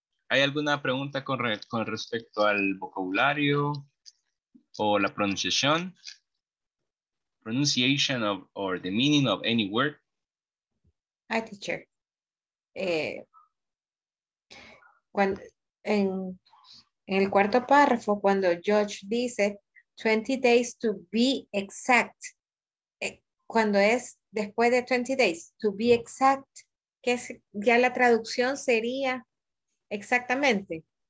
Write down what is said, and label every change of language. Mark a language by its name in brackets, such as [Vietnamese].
[Spanish] ¿Hay alguna pregunta con respecto al vocabulario o la pronunciación? [English] Pronunciation of or the meaning of any word? Hi, teacher. [Spanish] En el cuarto párrafo, cuando George dice [English] 20 days to be exact, [Spanish] cuando es después de [English] 20 days, to be exact, [Spanish] que es, ya la traducción sería exactamente.